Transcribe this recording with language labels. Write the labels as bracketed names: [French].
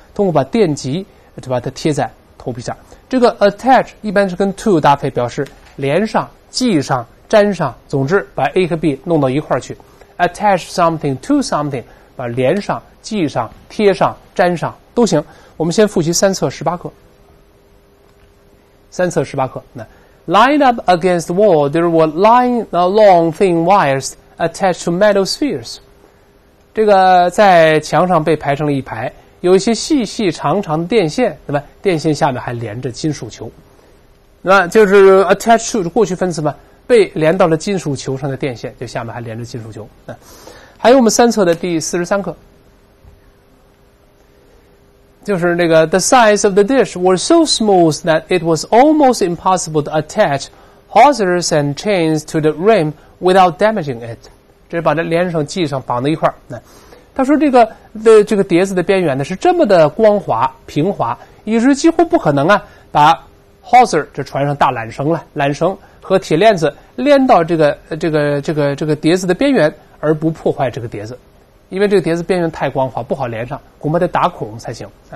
[Chinese] 通过把电极就把它贴在头皮上。这个 attach 一般是跟 to 搭配，表示。连上、系上、粘上，总之把 A 和 B 弄到一块儿去。 [English] Attach something to something， [Chinese] 把连上、系上、贴上、粘上都行。我们先复习三册十八课。三册十八课，那 [English] line up against the wall， there were line long thin wires attached to metal spheres。 [Chinese] 这个在墙上被排成了一排，有一些细细长长的电线，对吧？电线下面还连着金属球。那就是 attach to 过去分词嘛，被连到了金属球上的电线，就下面还连着金属球。还有我们三册的第43课，就是那个 [English] the size of the dish was so smooth that it was almost impossible to attach hawsers and chains to the rim without damaging it。 [Chinese] 这是把这连上系上绑在一块儿。他说这个的这个碟子的边缘呢是这么的光滑平滑，以至于几乎不可能啊把。 Hawser 这船上大缆绳了，缆绳和铁链子连到这个碟子的边缘，而不破坏这个碟子，因为这个碟子边缘太光滑，不好连上，恐怕得打孔才行。